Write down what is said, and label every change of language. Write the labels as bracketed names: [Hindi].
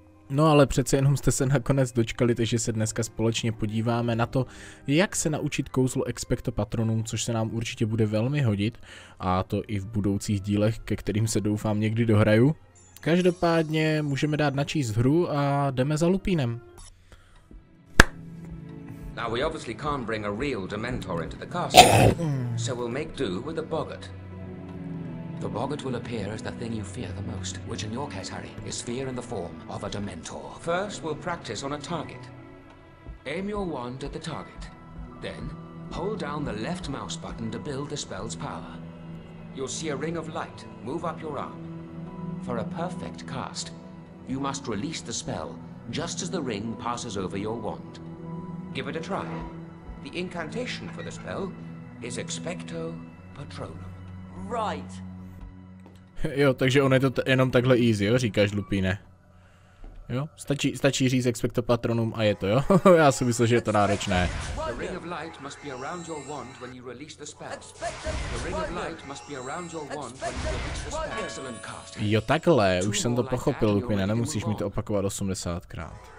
[Czech] No ale přece jenom jste se nakonec dočkali, takže se dneska společně podíváme na to, jak se naučit kouzlo Expecto Patronum, což se nám určitě bude velmi hodit, a to i v budoucích dílech, ke kterým se doufám někdy dohraju. Každopádně můžeme dát načíst hru a jdeme za Lupínem. [English] Now we obviously can't bring a real Dementor into the castle, so we'll make do with a boggart. The boggart will appear as the thing you fear the most, which in your case, Harry, is fear in the form of a Dementor. First, we'll practice on a target. Aim your wand at the target. Then, hold down the left mouse button to build the spell's power. You'll see a ring of light move up your arm. For a perfect cast, you must release the spell just as the ring passes over your wand. Give it a try. The incantation for the spell is Expecto Patronum. Right. [Czech] Jo, takže on je to jenom takhle easy, jo, říkáš, Lupine. Jo, stačí říct Expecto Patronum a je to, jo. Já si myslel, že je to náročné. [English] The ring of light must be around your wand when you release the spell. The ring of light must be around your wand when you release the spell. Excellent cast. [Czech] Jo, takhle, už jsem to pochopil, Lupine, nemusíš mi to opakovat 80krát.